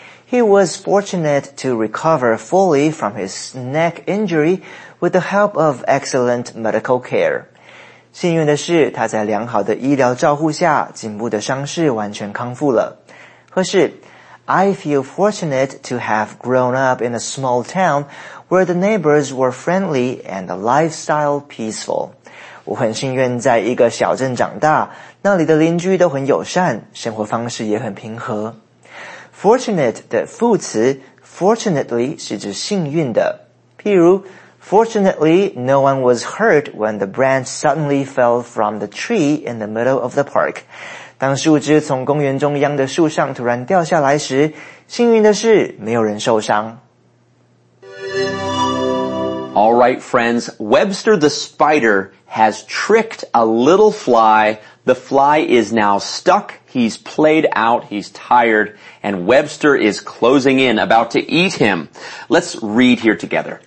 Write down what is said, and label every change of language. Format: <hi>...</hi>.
<en>He was fortunate to recover fully from his neck injury with the help of excellent medical care.</en> <zh>幸运的是他在良好的医疗照护下颈部的伤势完全康复了。或是</zh> <en>I feel fortunate to have grown up in a small town where the neighbors were friendly and the lifestyle peaceful.</en> <zh>我很幸运在一个小镇长大，那里的邻居都很友善，生活方式也很平和。 Fortunate 的副词 ,fortunately 是指幸运的。譬如</zh> <en>,fortunately, no one was hurt when the branch suddenly fell from the tree in the middle of the park.</en> <zh>当树枝从公园中央的树上突然掉下来时，幸运的是没有人受伤。</zh> <en>Alright friends, Webster the spider has tricked a little fly. The fly is now stuck, he's played out, he's tired, and Webster is closing in, about to eat him. Let's read here together.</en>